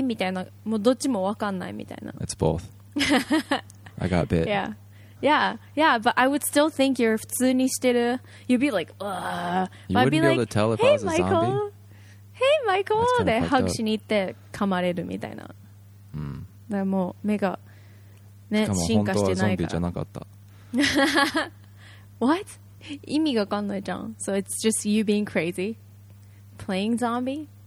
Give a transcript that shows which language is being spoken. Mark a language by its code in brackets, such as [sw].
[ja] 本当それないともうマジ一瞬で無理だからね。だからあ、これを武器にして使って、とかいろいろ考えるじゃん。食べ物がいるからスーパー行って、その以前の問題だもん。もう目が見えないから、もう一瞬で、あれ？マイケル？それともゾンビ？みたいな、もうどっちもわかんないみたいな。 [en] It's both. I got bit. Yeah. Yeah, yeah, but I would still think you're [ja] 普通にしてる. [en] You'd be like, ugh. But I'd be like, hey, Michael. Hey, Michael. [ja] で、ハグしに行って噛まれるみたいな。だからもう目が進化してないから。 [en] What? [ja] 意味がわかんないじゃん。 [en] So it's just you being crazy? Playing zombie?